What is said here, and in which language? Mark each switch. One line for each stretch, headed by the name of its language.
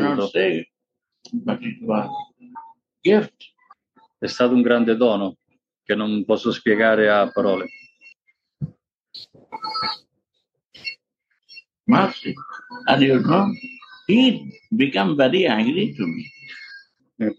English: I cannot say, but it was a gift.
Italian: È stato un grande dono che non posso spiegare a parole.
English: Mercy. And you know, he became very angry to me.